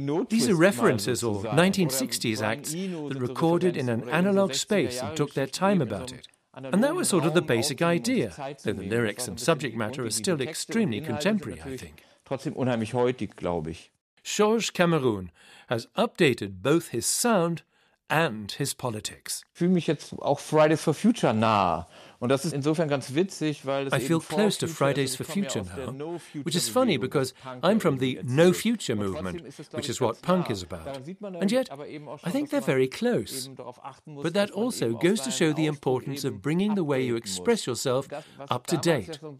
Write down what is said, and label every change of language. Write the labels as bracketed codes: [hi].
[en] These are references or 1960s acts that recorded in an analog space and took their time about it. And that was sort of the basic idea, though the lyrics and subject matter are still extremely contemporary, I think. Georges Cameroun has updated both his sound and his politics. [de] Ich fühle mich jetzt auch Fridays for Future nah Und das ist insofern ganz witzig, weil es [en] I feel close to Fridays for Future now, which is funny because I'm from the No Future movement, which is what punk is about. And yet, I think they're very close. But that also goes to show the importance of bringing the way you express yourself up to date.